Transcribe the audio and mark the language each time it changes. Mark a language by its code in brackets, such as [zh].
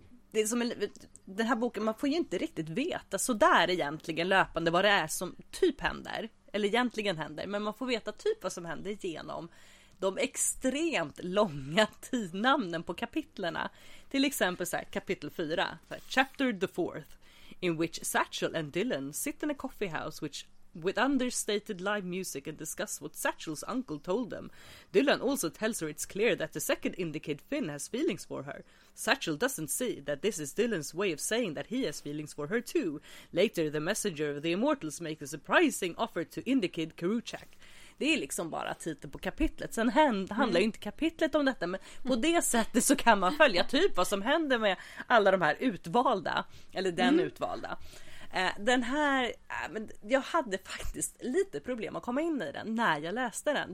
[sv] Det är som den här boken, man får ju inte riktigt veta så där egentligen löpande vad det är som typ händer. Eller egentligen händer. Men man får veta typ vad som händer genom de extremt långa tidnamnen på kapitlerna. Till exempel så här, kapitel 4. [en] Chapter the fourth. In which Satchel and Dylan sit in a coffee house with understated live music and discuss what Satchel's uncle told them. Dylan also tells her it's clear that the second indicate Finn has feelings for her. Satchel doesn't see that this is Dylan's way of saying that he has feelings for her too. Later, the messenger of the immortals makes a surprising offer to indicate Karuchak. [sv] Det är liksom bara titeln på kapitlet. Sen handlar ju inte kapitlet om detta, men på det sättet så kan man följa typ vad som händer med alla de här utvalda, eller den utvalda. Den här, jag hade faktiskt lite problem att komma in i den när jag läste den.